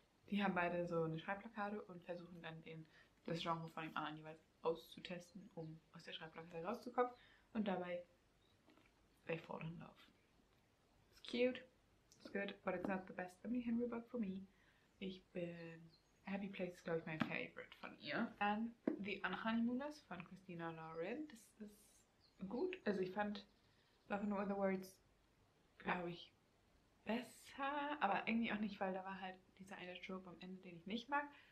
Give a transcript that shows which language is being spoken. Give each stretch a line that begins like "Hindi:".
German: Die haben beide so eine Schreibblockade und versuchen dann das Genre von dem anderen jeweils auszutesten, um aus der Schreibblockade rauszukommen. Und dabei,
English: they fall in love. It's cute, it's good, but it's not the best Emily Henry book for me.
German: Happy Place ist, glaube ich, mein Favorite von ihr. Dann The Unhoneymooners von Christina Lauren. Das ist gut. Also, ich fand Love in Other Words, glaube ich, besser, aber irgendwie auch nicht, weil da war halt dieser eine Trope am Ende, den ich nicht mag.